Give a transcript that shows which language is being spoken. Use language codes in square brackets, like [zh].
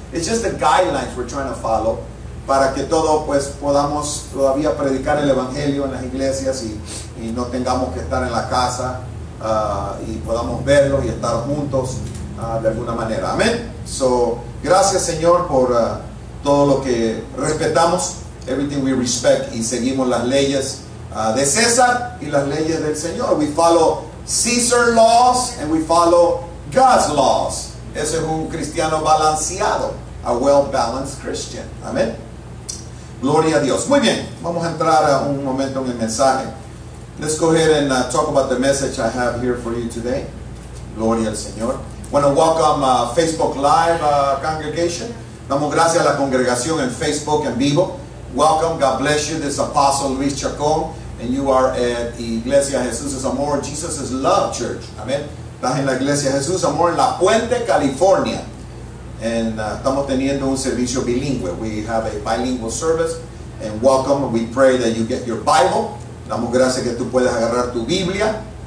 [en] It's just the guidelines we're trying to follow [es] para que todos pues podamos todavía predicar el evangelio en las iglesias y no tengamos que estar en la casa y podamos verlos y estar juntos de alguna manera. Amén. So, gracias Señor por todo lo que respetamos, [en] everything we respect, [es] y seguimos las leyes de César y las leyes del Señor. [en] We follow Caesar's laws and we follow God's laws. [es] Ese es un cristiano balanceado, [en] a well-balanced Christian. [es] Amén. Gloria a Dios. Muy bien, vamos a entrar a un momento en el mensaje. [en] Let's go ahead and talk about the message I have here for you today. [es] Gloria al Señor. Bueno, [en] welcome Facebook Live congregation. [es] Damos gracias a la congregación en Facebook en vivo. [en] Welcome, God bless you. This is Apostle Luis Chacón, and you are at Iglesia Jesús es Amor, Jesus is Love Church. [es] Amén. Estás en la Iglesia Jesús Amor en La Puente, California. [en] And [es] estamos teniendo un servicio bilingüe. [en] We have a bilingual service. And welcome. We pray that you get your Bible. [es] Damos gracias que tú puedes agarrar tu Biblia.